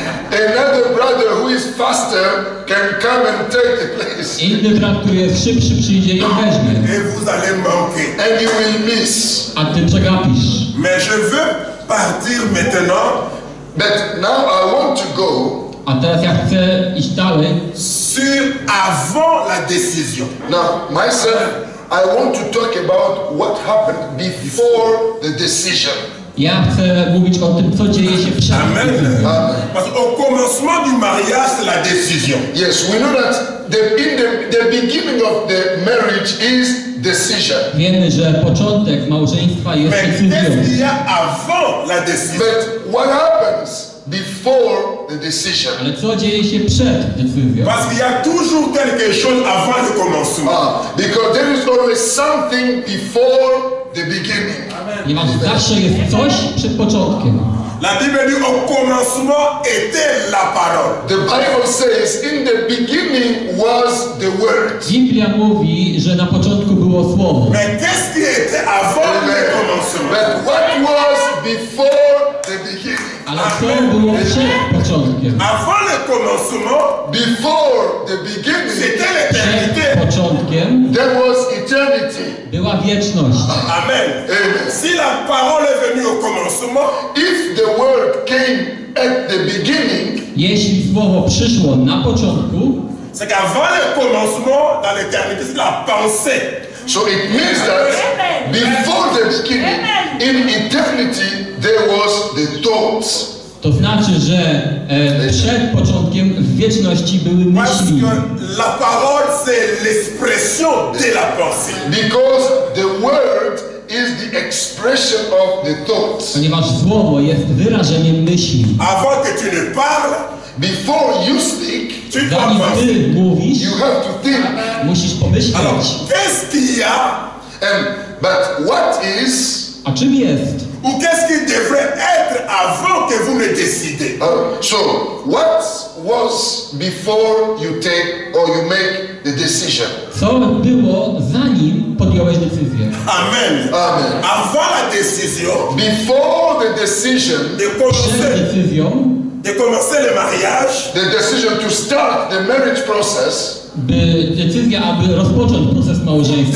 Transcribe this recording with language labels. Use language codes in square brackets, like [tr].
[en] another brother who is faster can come and take the place. [pl] Inny brat, który jest szybszy, przyjdzie i weźmie. [en] And you will miss. [pl] A ty przegapisz. [fr] Mais je veux partir maintenant. [en] But now I want to go. [pl] A teraz ja chcę iść dalej. [fr] Sur avant la décision. [en] Now, myself, I want to talk about what happened before the decision. [pl] Ja chcę mówić o tym, co dzieje się przed. Amen. [fr] Parce qu'au commencement du mariage, c'est la décision. [en] Yes, we know that the beginning of the marriage is decision. [pl] Wiemy, że początek małżeństwa jest decyzją. [fr] Avant la décision. [en] But what happens before the decision? [pl] Ale co dzieje się przed decyzją? [fr] Parce qu'il y a toujours quelque chose avant le commencement. [en] Because there is always something before the beginning. [pl] Ponieważ zawsze jest coś przed początkiem. [fr] La Bible dit au commencement était la parole. [en] The Bible says in the beginning was the word. [pl] Biblia mówi, że na początku było słowo. [fr] Mais qu'est-ce qui était avant le commencement? [en] But what was before the beginning? [pl] Ale co było przed początkiem? [fr] Avant le commencement, [en] before the beginning, [fr] c'était l'éternité. [pl] Początkiem [en] there was eternity. [pl] Była wieczność. Amen. Amen. [fr] Si la parole est venue au commencement, [en] if the word came at the beginning, [pl] jeśli słowo przyszło na początku, [fr] c'est qu'avant le commencement, dans l'éternité, c'est la pensée. [en] So it means that before the beginning, in eternity, there was the thoughts. [pl] To znaczy, że przed początkiem w wieczności były myśli. [fr] La parole, c'est l'expression de la pensée. [en] Because the word is the expression of the thoughts. [pl] Ponieważ słowo jest wyrażeniem myśli. [fr] Avant que tu ne parles, [en] before you speak, [pl] zanim ty mówisz, [en] you have to think. [pl] Musisz pomyśleć. [fr] Alors, qu'est-ce qu'il y a? [en] But what is? [pl] A czym jest? [fr] Ou qu'est-ce qui devrait être avant que vous ne décidez? [en] So, what was before you take or you make the decision? [pl] Co było zanim podjąłeś decyzję? Amen. Amen. [fr] Avant la décision, [en] before the decision, [fr] de commencer le mariage, [en] the decision to start the marriage process, [pl] decyzja, aby rozpocząć proces małżeństwa,